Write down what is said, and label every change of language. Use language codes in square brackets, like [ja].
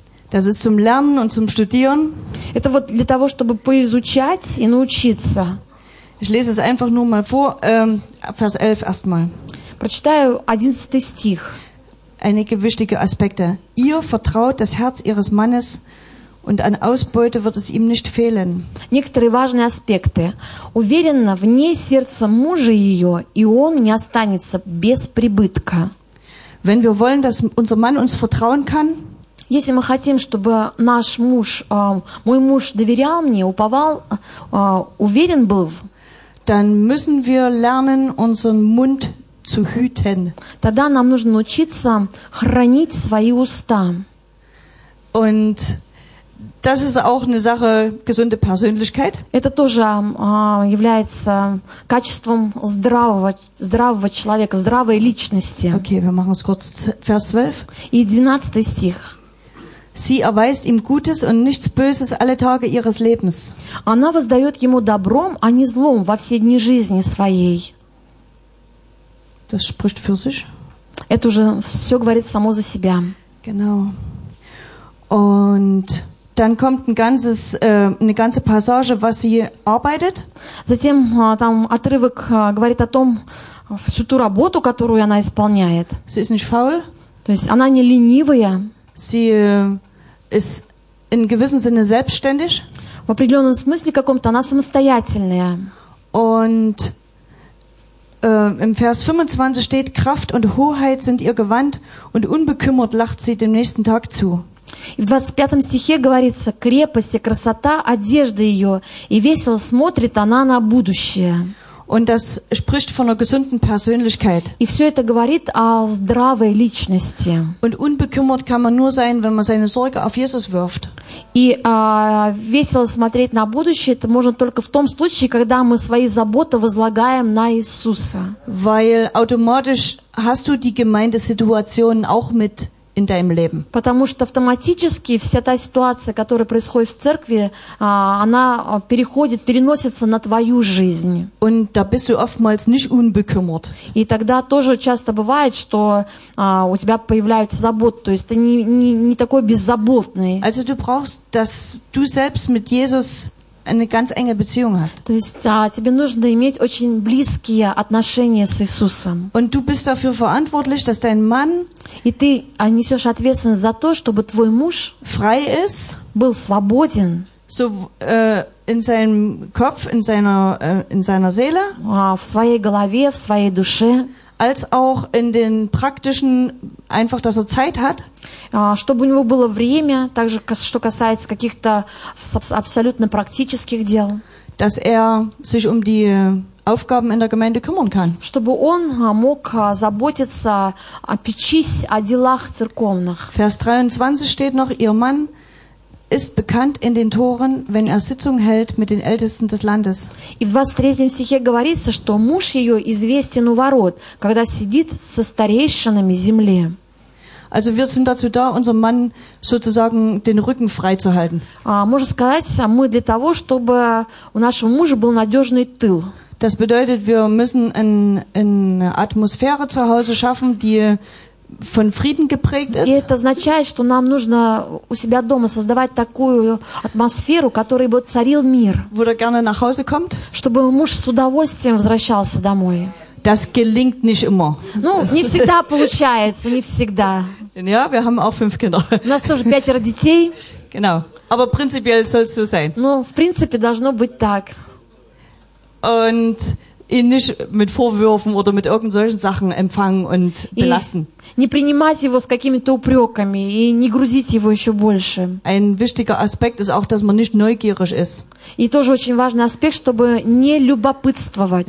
[de] Das ist zum Lernen und zum Studieren. [ru] Это вот для того, чтобы поизучать и научиться. [de] Ich lese es einfach nur mal vor, Vers 11 erstmal. [ru] Прочитаю 11 стих. [de] Einige wichtige Aspekte. Ihr vertraut das Herz ihres Mannes und an Ausbeute wird es ihm nicht fehlen. [ru] Некоторые важные аспекты. Уверенно в ней сердце мужа ее, и он не останется без прибытка. [de] Wenn wir wollen, dass unser Mann uns vertrauen kann, [ru] если мы хотим, чтобы наш муж, мой муж доверял мне, уповал, уверен был, [de] dann müssen wir lernen, unseren Mund zu hüten. [ru] Тогда нам нужно научиться хранить свои уста. [de] Und das ist auch eine Sache gesunde Persönlichkeit. [ru] Это тоже является качеством здравого человека, здравой личности. [de] Okay, wir machen es kurz. Vers 12. [ru] И 12 стих. [de] Sie erweist ihm Gutes und nichts Böses alle Tage ihres Lebens. [ru] Она воздает ему добром, а не злом во все дни жизни своей. [de] Das spricht für sich. [ru] Это уже все говорит само за себя. [de] Genau. Und dann kommt eine ganze Passage, was sie arbeitet. [ru] Затем там отрывок говорит о том, всю ту работу, которую она исполняет. [de] Sie ist nicht faul. [ru] То есть она не ленивая. [de] Sie ist in gewissem Sinne selbstständig. [ru] В определенном смысле каком-то она самостоятельная. [de] Und im Vers 25 steht, Kraft und Hoheit sind ihr Gewand und unbekümmert lacht sie dem nächsten Tag zu. [ru] И в 25 стихе говорится, крепость и красота одежды ее, и весело смотрит она на будущее. [de] Und das spricht von einer gesunden Persönlichkeit. [ru] И все это говорит о здравой личности. [de] Und unbekümmert kann man nur sein, wenn man seine Sorge auf Jesus wirft. [ru] И весело смотреть на будущее, это можно только в том случае, когда мы свои заботы возлагаем на Иисуса. [de] Weil automatisch hast du die Gemeindesituation auch mit in deinem Leben. [ru] Потому что автоматически вся та ситуация, которая происходит в церкви, она переходит, переносится на твою жизнь. [de] Und da bist du oftmals nicht unbekümmert. [ru] И тогда тоже часто бывает, что у тебя появляются заботы, то есть ты не такой беззаботный. [de] Also du brauchst, dass du selbst mit Jesus eine ganz enge Beziehung hast. [ru] То есть тебе нужно иметь очень близкие отношения с Иисусом. [de] Und du bist dafür verantwortlich, dass dein Mann [ru] и ты несешь ответственность за то, чтобы твой муж [de] frei ist, [ru] был свободен, [de] So in seinem Kopf, in seiner Seele, [ru] в своей голове, в своей душе, [de] als auch in den praktischen, einfach, dass er Zeit hat, [ru] чтобы у него было время, также что касается каких-то абсолютно практических дел, [de] dass er sich um die Aufgaben in der Gemeinde kümmern kann, [ru] чтобы он мог заботиться, печись о делах церковных. [de] Vers 23 steht noch: Ihr Mann ist bekannt in den Toren, wenn er Sitzung hält mit den Ältesten des Landes. [ru] И в 23 стихе говорится, что муж ее известен у ворот, когда сидит со старейшинами земли. [de] Also wir sind dazu da, unserem Mann sozusagen den Rücken frei zu halten. [ru] Можно сказать, мы для того, чтобы у нашего мужа был надежный тыл. [de] Das bedeutet, wir müssen eine Atmosphäre zu Hause schaffen, die von Frieden geprägt ist. [ru] И это означает, что нам нужно у себя дома создавать такую атмосферу, которой бы царил мир. [de] Wo er gerne nach Hause kommt. [ru] Чтобы муж с удовольствием возвращался домой. [de] Das gelingt nicht immer. [ru] Ну, не всегда получается, не всегда. [de] Ja, wir haben auch 5 Kinder. [ru] У нас тоже 5 детей. [de] Genau. Aber prinzipiell soll es so sein. [ru] Ну, в принципе, должно быть так. [de] Und ihn nicht mit Vorwürfen oder mit irgendwelchen Sachen empfangen und belassen. [ru] Не принимать его с какими-то упреками и не грузить его еще больше. [de] Ein wichtiger Aspekt ist auch, dass man nicht neugierig ist. [ru] И тоже очень важный аспект, чтобы не любопытствовать.